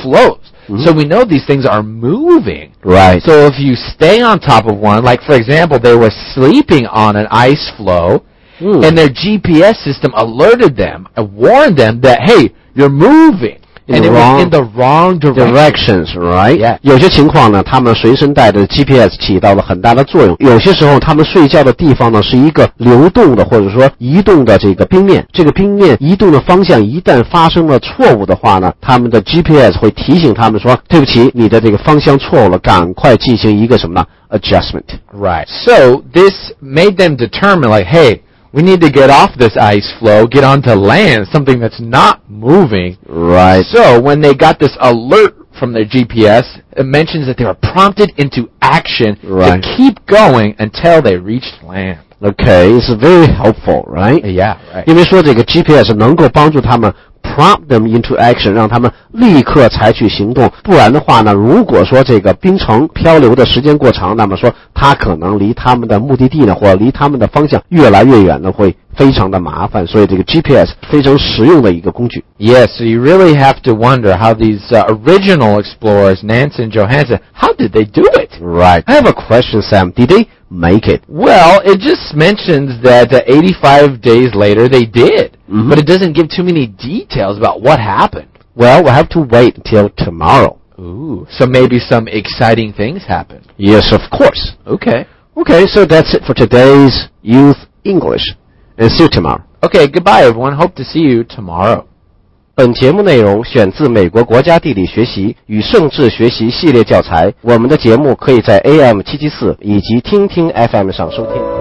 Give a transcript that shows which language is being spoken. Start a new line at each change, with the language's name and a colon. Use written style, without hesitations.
English: floats. Mm-hmm. So we know these things are moving. Right. So if you stay on top of one, like for example, they were sleeping on an ice floe, and their GPS system alerted them and warned them that, hey, you're moving. And it was in the wrong directions, right? Yeah.
Chinese: 有些情况呢，他们随身带的 GPS 起到了很大的作用。有些时候，他们睡觉的地方呢，是一个流动的或者说移动的这个冰面。这个冰面移动的方向一旦发生了错误的话呢，他们的 GPS 会提醒他们说：“对不起，你的这个方向错误了，赶快进行一个什么呢 ？
English: Adjustment. Right. So this made them determine, like, hey. We need to get off this ice floe, get onto land, something that's not moving. Right. So when they got this alert from their GPS, it mentions that they were prompted into action right. to keep going until they reached land. Okay, it's very helpful, right? Yeah, right.
Chinese: 因为说这个 GPS 能够帮助他们
English: prompt them into action,
Chinese: 让他们立刻采取行动。不然的话呢，如果说这个冰层漂流的时间过长，那么说他可能离他们的目的地呢，或者离他们的方向越来越远呢，会非常的麻烦。所以这个 GPS 非常实用的一个工具。
English: Yes, so you really have to wonder how these original explorers, Nance and Johansson, how did they do it? Right. I have a question, Sam. Did they... make it. Well, it just mentions that 85 days later they did. Mm-hmm. But it doesn't give too many details about what happened. Well, we'll have to wait till tomorrow. Ooh, so maybe some exciting things happened. Yes, of course. Okay. Okay, so that's it for today's Youth English. And see you tomorrow. Okay, goodbye everyone. Hope to see you tomorrow.
Chinese: 本节目内容选自美国国家地理学习与政治学习系列教材。我们的节目可以在 AM774 以及听听 FM 上收听。